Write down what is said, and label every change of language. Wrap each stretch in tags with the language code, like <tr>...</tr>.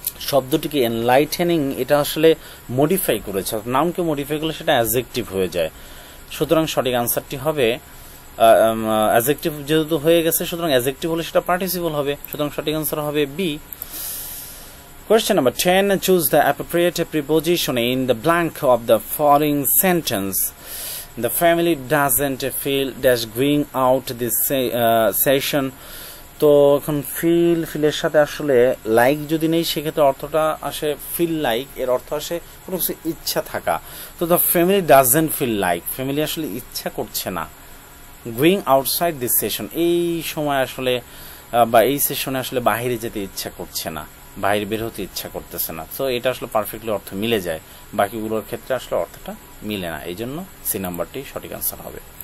<bn>শব্দটিকে এনলাইটেনিং এটা আসলে মডিফাই করেছে নাউনকে মডিফাই করলে সেটা অ্যাডজেক্টিভ হয়ে যায় সুতরাং সঠিক অ্যান্সারটি হবে অ্যাডজেক্টিভ যেহেতু হয়ে গেছে সুতরাং অ্যাডজেক্টিভ হলে সেটা পার্টিসিপল হবে সুতরাং সঠিক অ্যান্সার হবে B</bn> <en>Question number 10. Choose the appropriate preposition in the blank of the following sentence. The family doesn't feel dash going out this session.</en> <bn>তো এখন ফিল ফিলের সাথে আসলে লাইক যদি নেই সেক্ষেত্রে অর্থটা আসে ফিল লাইক এর অর্থ আসে কোনো কিছু ইচ্ছা থাকা তো</bn> <en>the family doesn't feel like</en> <bn>family আসলে ইচ্ছা করছে না</bn> <en>going outside this session</en> <bn>এই সময় আসলে বা এই সেশনে আসলে বাহিরে যেতে ইচ্ছা করছে না বাইরে বের হতে ইচ্ছা করতেছে না তো এটা আসলে পারফেক্টলি অর্থ মিলে যায় বাকিগুলোর ক্ষেত্রে আসলে অর্থটা মিলে না এই জন্য সি নাম্বারটি সঠিক অ্যান্সার হবে</bn>